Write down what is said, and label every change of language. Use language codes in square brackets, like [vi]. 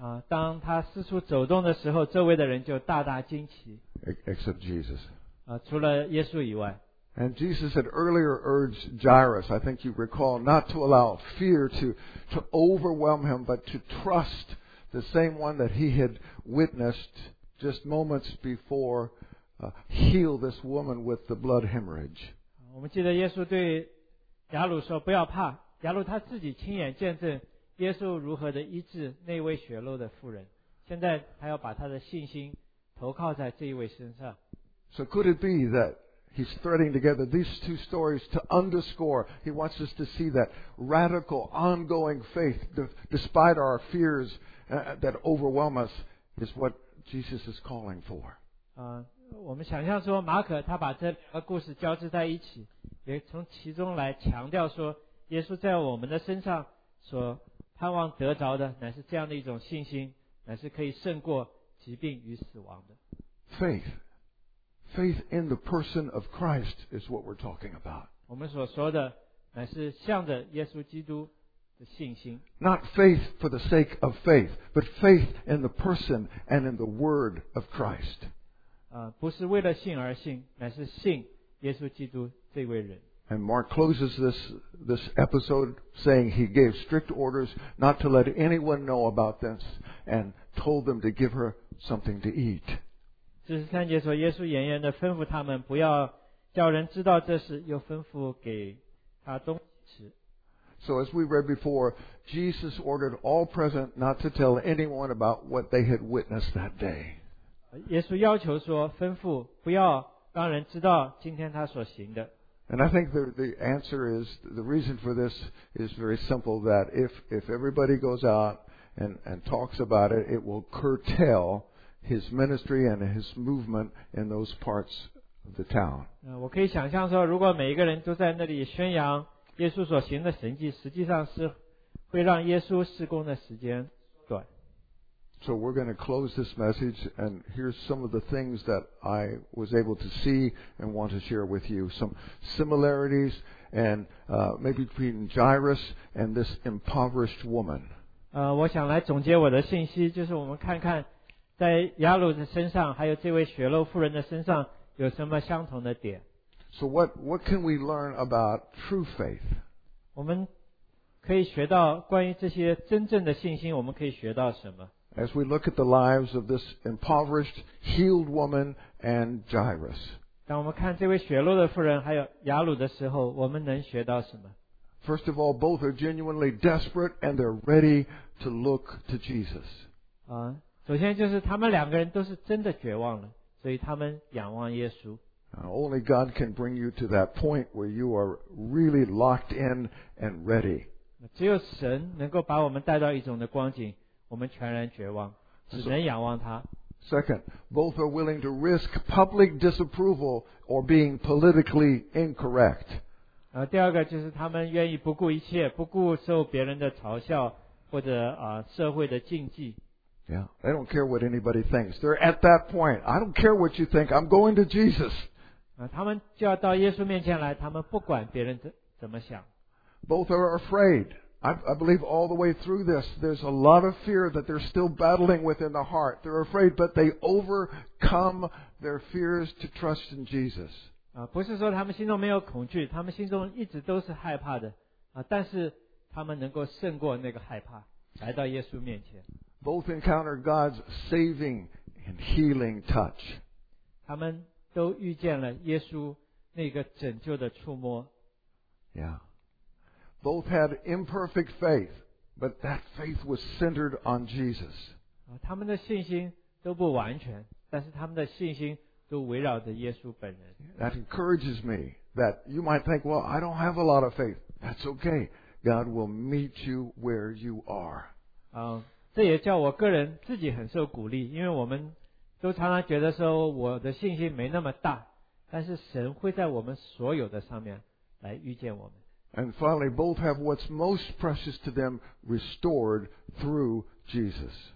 [zh] 当她四处走动的时候，周围的人就大大惊奇。 [en] Except Jesus. [zh] 除了耶稣以外。 [en] And Jesus had earlier urged Jairus, I think you recall, not to allow fear to overwhelm him, but to trust the same one that he had witnessed just moments before heal this woman with the blood hemorrhage. [zh] 我们记得耶稣对雅鲁说不要怕，雅鲁他自己亲眼见证耶稣如何的医治那位血漏的妇人，现在他要把他的信心投靠在这一位身上。 [en] So could it be that he's threading together these two stories to underscore, he wants us to see that radical ongoing faith despite our fears that overwhelm us is whatJesus is calling for. [zh] 我们想象说马可他把这两个故事交织在一起，也从其中来强调说耶稣在我们的身上所盼望得着的乃是这样的一种信心，乃是可以胜过疾病与死亡的。 [en] Faith. Faith in the person of Christ is what we're talking about. [zh] 我们所说的乃是向着耶稣基督信心。 [en] Not faith for the sake of faith, but faith in the person and in the word of Christ. [zh] 不是为了信而信，乃是信耶稣基督这位人。 [en] And Mark closes this episode saying he gave strict orders not to let anyone know about this and told them to give her something to eat. [zh] 43节说耶稣严严地吩咐他们不要叫人知道这事，又吩咐给他东西吃。 [en] So as we read before, Jesus ordered all present not to tell anyone about what they had witnessed that day. [zh] 耶稣要求说，吩咐不要让人知道今天他所行的。 [en] And I think the answer is, the reason for this is very simple, that if everybody goes out and talks about it, it will curtail his ministry and his movement in those parts of the town. [zh] 我可以想象说，如果每一个人都在那里宣扬耶稣所行的神迹，实际上是会让耶稣施工的时间短。 [en] So we're going to close this message, and here's some of the things that I was able to see and want to share with you. Some similarities and maybe between Jairus and this impoverished woman. [zh] 我想来总结我的信息，就是我们看看在雅鲁的身上，还有这位血漏妇人的身上有什么相同的点。 [en] So what can we learn about true faith? [zh] 我们可以学到关于这些真正的信心，我们可以学到什么？ [en] As we look at the lives of this impoverished, healed woman and Jairus. [zh] 当我们看这位血漏的妇人还有雅鲁的时候，我们能学到什么？ [en] First of all, both are genuinely desperate and they're ready to look to Jesus. [zh] 首先就是他们两个人都是真的绝望了，所以他们仰望耶稣。 [en] Only God can bring you to that point where you are really locked in and ready. [zh] 只有神能够把我们带到一种的光景，我们全然绝望，只能仰望他。 [en] Second, both are willing to risk public disapproval or being politically incorrect. [zh] 第二个就是他们愿意不顾一切，不顾受别人的嘲笑或者社会的禁忌。 [en] Yeah, they don't care what anybody thinks. They're at that point. I don't care what you think. I'm going to Jesus. [zh] 他们就要到耶稣面前来，他们不管别人怎么想。 [en] Both are afraid. I believe all the way through this, there's a lot of fear that they're still battling with in the heart. They're afraid, but they overcome their fears to trust in Jesus. [zh] 不是说他们心中没有恐惧，他们心中一直都是害怕的，但是他们能够胜过那个害怕，来到耶稣面前。 [en] Both encounter God's saving and healing touch. [zh] 他们都遇见了耶稣那个拯救的触摸。 [en] Yeah. Both had imperfect faith, but that faith was centered on Jesus. [zh] 他们的信心都不完全，但是他们的信心都围绕着耶稣本人。 [en] That encourages me that you might think, well, I don't have a lot of faith. That's okay. God will meet you where you are. [zh] 这也叫我个人自己很受鼓励，因为我们都常常觉得说我的信心没那么大，但是神会在我们所有的上面来遇见我们。 [en] And finally, both have what's most precious to them restored through Jesus.